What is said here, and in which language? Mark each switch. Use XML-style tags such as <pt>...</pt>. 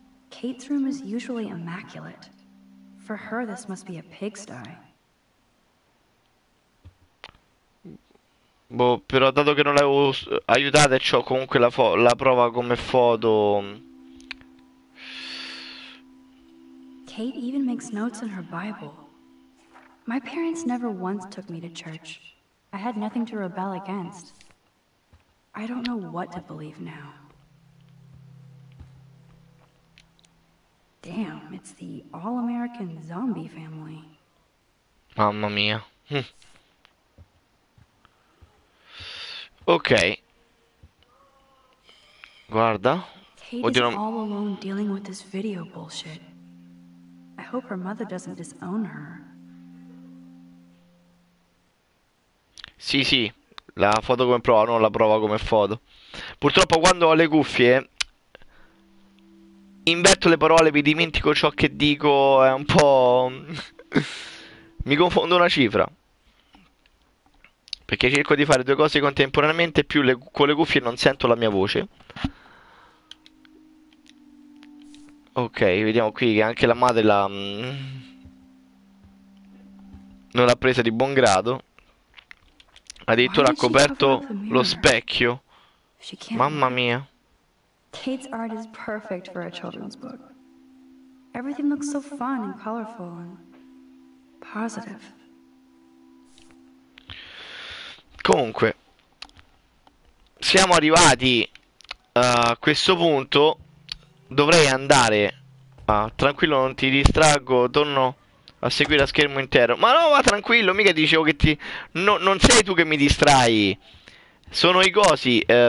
<en>Kate's room is usually immaculate. For her this must be a pigsty.</en> <it>Boh, però dato che non l'avevo aiutata e c'ho comunque la prova come foto.</it> <en>Kate even makes notes in her Bible. My parents never once took me to church. I had nothing to rebel against. I don't know what to believe now. Damn, it's the all-American zombie family.</en> <it>Mamma mia. Ok. Guarda.</it> <en>Kate is all alone dealing with this video bullshit. I hope her mother doesn't disown her.</en> <it>Sì, sì, la foto come prova, non la prova come foto. Purtroppo quando ho le cuffie inverto le parole, mi dimentico ciò che dico, è un po' mi confondo una cifra. Perché cerco di fare due cose contemporaneamente, più con le cuffie non sento la mia voce. Ok, vediamo qui che anche la madre non l'ha presa di buon grado. Addirittura ha coperto lo specchio. Mamma mia.</it> <en>Kate's art is perfect for a children's book. Everything looks so fun and colorful and positive.</en> <it>Comunque, siamo arrivati a questo punto. Dovrei andare. Ah, tranquillo, non ti distraggo, torno a seguire a schermo intero. Ma no, va tranquillo, mica dicevo che ti... No, non sei tu che mi distrai. Sono i cosi.</it>